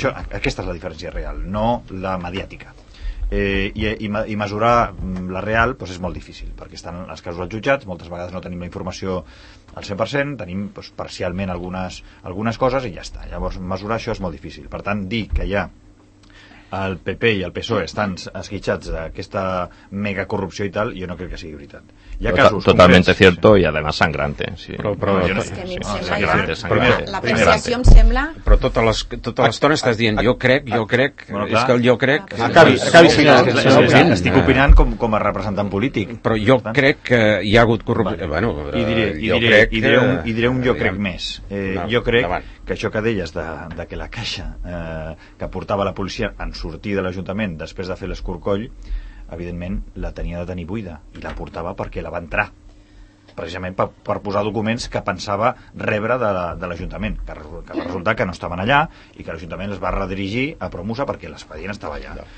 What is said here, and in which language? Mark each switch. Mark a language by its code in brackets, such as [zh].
[ca] Aquesta és la diferència real, no la mediàtica. I mesurar la real doncs és molt difícil, perquè estan els casos als jutjats, moltes vegades no tenim la informació al 100%, tenim doncs parcialment algunes coses i ja està. Llavors mesurar això és molt difícil. Per tant, dir que ja el PP i el PSOE estan esquitxats d'aquesta mega corrupció i tal, jo no crec que sigui veritat. Hi ha casos [es] totalmente cierto, sí. Y además sangrante, sí. [ca] L'apreciació em sembla... Però tota l'estona estàs dient jo crec, bueno, és que el jo crec... Acabi final. Estic opinant com a representant polític. Però jo crec que hi ha hagut corrupció. Bueno, I diré un jo crec més. Jo crec que això que deies de que la caixa que portava la policia en sortir de l'Ajuntament després de fer l'escorcoll, evidentment la tenia de tenir buida i la portava perquè la va entrar precisament per posar documents que pensava rebre de l'Ajuntament, que va resultar que no estaven allà i que l'Ajuntament es va redirigir a Promusa perquè l'expedient estava allà.